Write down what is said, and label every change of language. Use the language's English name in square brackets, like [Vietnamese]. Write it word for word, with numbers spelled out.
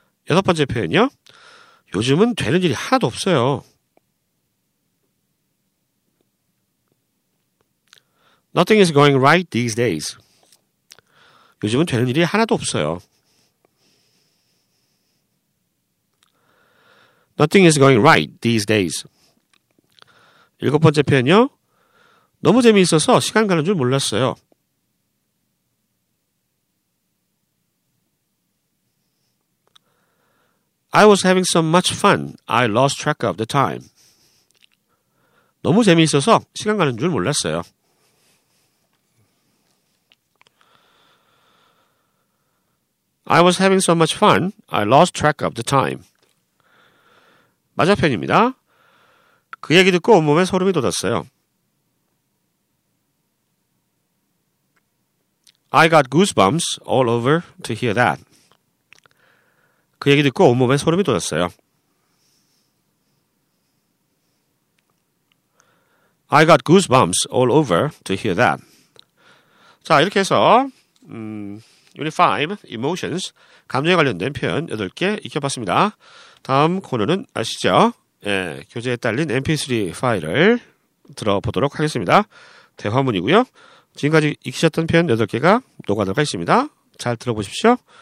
[Korean] 여섯 번째 표현이요. 요즘은 되는 일이 하나도 없어요. [English] Nothing is going right these days. [Korean] 요즘은 되는 일이 하나도 없어요. [English] Nothing is going right these days. [Korean] 일곱 번째 표현요. 너무 재미있어서 시간 가는 줄 몰랐어요. [English] I was having so much fun, I lost track of the time. [Korean] 너무 재미있어서 시간 가는 줄 몰랐어요. [English] I was having so much fun, I lost track of the time. [Korean] 맞아편입니다. 그 얘기 듣고 온몸에 소름이 돋았어요. [English] I got goosebumps all over to hear that. [Korean] 그 얘기 듣고 온몸에 소름이 돋았어요. [English] I got goosebumps all over to hear that. [Korean] 자, 이렇게 해서 음, Unit 오, Emotions, 감정에 관련된 표현 여덟 개 익혀봤습니다. 다음 코너는 아시죠? 예, 교재에 딸린 엠피쓰리 파일을 들어보도록 하겠습니다. 대화문이고요. 지금까지 익히셨던 표현 여덟 개가 녹아들어가 있습니다. 잘 들어보십시오.